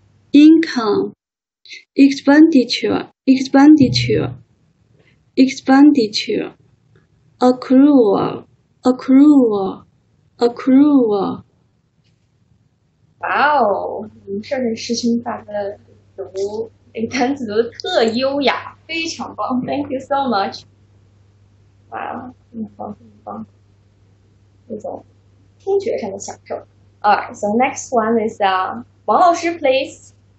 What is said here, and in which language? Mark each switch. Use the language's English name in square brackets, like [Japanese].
[English] Income, expenditure, accrual. [Chinese] 哇哦，你这是师兄大哥读这个单词读的特优雅，非常棒 ， [English] Thank you so much。 [Chinese] 哇，很棒，那种听觉上的享受。 [English] Alright, so next one is 王老师 ，please。